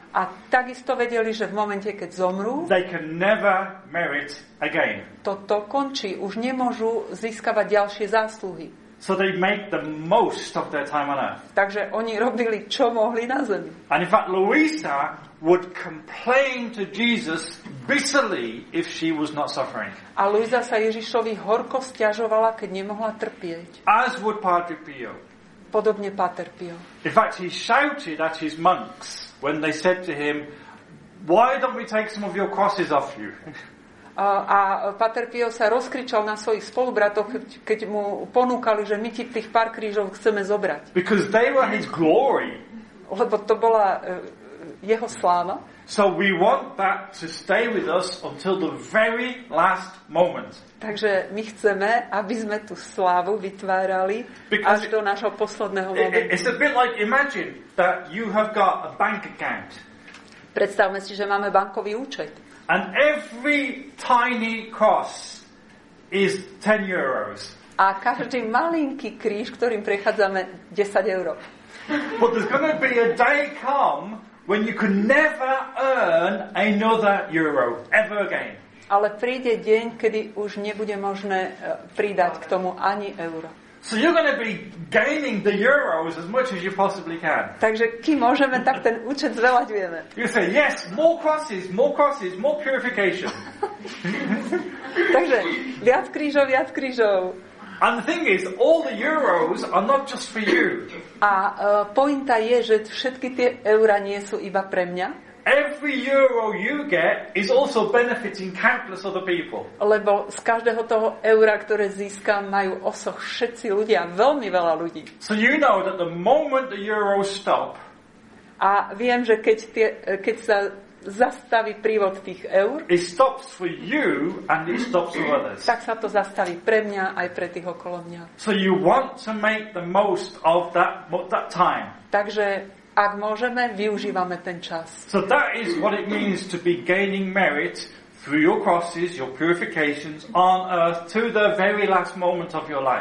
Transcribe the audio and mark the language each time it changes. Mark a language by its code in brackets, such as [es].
[sk] a takisto vedeli, že v momente, keď zomrú, [en] they can never merit again. [sk] Toto končí, už nemôžu získavať ďalšie zásluhy. [en] So they make the most of their time on earth. [sk] Takže oni robili, čo mohli na zemi. [en] And in fact, Louisa would complain to Jesus bitterly if she was not suffering. [sk] A Luisa sa Ježišovi horko sťažovala, keď nemohla trpieť. [en] As would Padre Pio. [sk] Podobne Pater Pio. [en] In fact, he shouted at his monks when they said to him, why don't we take some of your crosses off you? [sk] A Pater Pio sa rozkričal na svojich spolubratoch, keď mu ponúkali, že my ti tých pár krížov chceme zobrať. [en] Because they were his glory. [sk] Lebo to bola jeho sláva. [en] So we want that to stay with us until the very last moment. [sk] Takže my chceme, aby sme tú slávu vytvárali až do nášho posledného momentu. [en] It's a bit like, imagine that you have got a bank account. [sk] Predstavme si, že máme bankový účet. [en] And every tiny cross is 10 euros. [sk] A každý malinký kríž, ktorým prechádzame, 10 eur. [en] But there's going to be a day come when you can never earn another euro ever again. [sk] Ale príde deň, kedy už nebude možné pridať k tomu ani euro. [en] So you're going to be gaining the euros as much as you possibly can. [sk] Takže kým môžeme, tak ten účet zveľaďujeme. [en] You say, yes, more crosses, more crosses, more purification. [sk] Takže viac krížov, viac krížov. [en] And the thing is, all the euros are not just for you. [sk] A pointa je, že všetky tie eura nie sú iba pre mňa. [en] Every euro you get is also benefiting countless other people. [sk] Lebo z každého toho eura, ktoré získam, majú osoch všetci ľudia, veľmi veľa ľudí. [en] So you know that the moment the euros stop. [sk] A viem, že keď sa zastaví prívod tých eur, [en] it stops for you and it stops for others. [sk] Tak sa to zastaví pre mňa aj pre tých okolo mňa. [en] So you want to make the most of that time. [sk] Takže ak môžeme, využívame ten čas. [en] So that is what it means to be gaining merit through your crosses, your purifications on earth to the very last moment of your life.